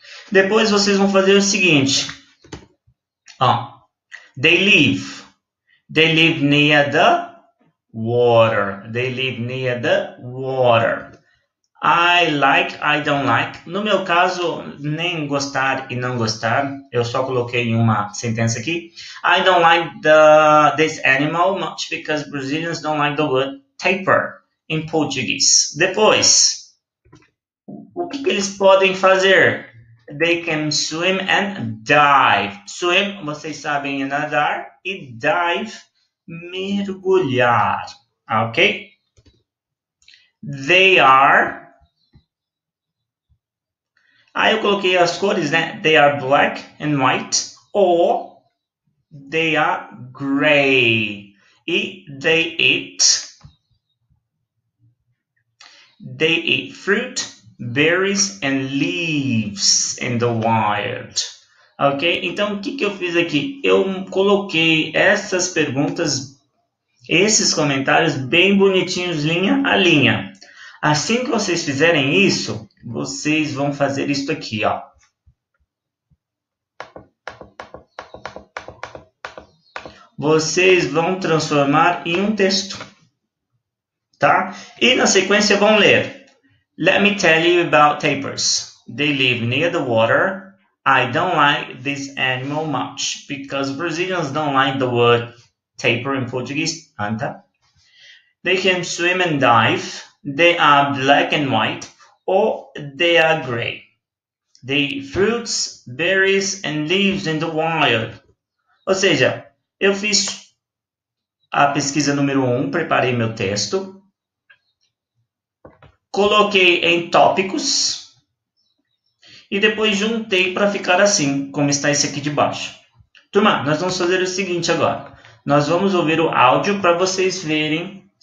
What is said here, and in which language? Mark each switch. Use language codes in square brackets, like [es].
[pt] Depois, vocês vão fazer o seguinte. Oh, [en] they live. They live near the water. They live near the water. I like, I don't like. [pt] No meu caso, nem gostar e não gostar. Eu só coloquei uma sentença aqui. [en] I don't like this animal much because Brazilians don't like the word tapir in Portuguese. [pt] Depois, o que eles podem fazer? [en] They can swim and dive. Swim, [pt] vocês sabem, é nadar. E dive, mergulhar. Ok? [en] They are... [pt] Aí eu coloquei as cores, né? [en] They are black and white. Or they are gray. E they eat fruit, berries and leaves in the wild. [pt] Ok? Então, o que, que eu fiz aqui? Eu coloquei essas perguntas, esses comentários, bem bonitinhos, linha a linha. Assim que vocês fizerem isso... Vocês vão fazer isso aqui, ó. Vocês vão transformar em um texto. Tá? E na sequência vão ler. [en] Let me tell you about tapirs. They live near the water. I don't like this animal much. Because Brazilians don't like the word tapir in Portuguese. Anta. They can swim and dive. They are black and white. Or they are gray. They eat fruits, berries, and leaves in the wild. [pt] Ou seja, eu fiz a pesquisa número 1, preparei meu texto. Coloquei em tópicos. E depois juntei para ficar assim, como está esse aqui de baixo. Turma, nós vamos fazer o seguinte agora. Nós vamos ouvir o áudio para vocês verem